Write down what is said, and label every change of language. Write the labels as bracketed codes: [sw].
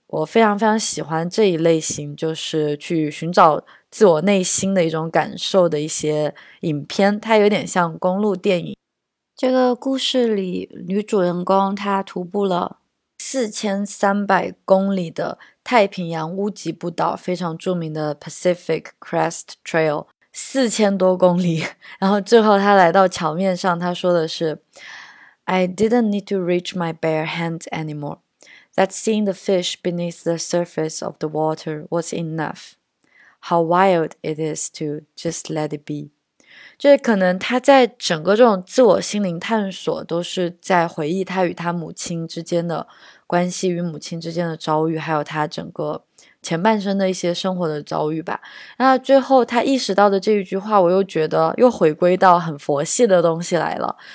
[zh] 我非常非常喜欢这一类型，就是去寻找自我内心的一种感受的一些影片，它有点像公路电影。这个故事里，女主人公她徒步了4300公里的太平洋屋脊步道，非常著名的 Pacific Crest Trail，4000多公里。然后最后她来到桥面上，她说的是：" [en] I didn't need to reach my bare hands anymore. That seeing the fish beneath the surface of the water was enough. How wild it is to just let it be.'" [zh] 就是可能他在整个这种自我心灵探索，都是在回忆他与他母亲之间的关系，与母亲之间的遭遇，还有他整个前半生的一些生活的遭遇吧。那最后他意识到的这一句话，我又觉得又回归到很佛系的东西来了。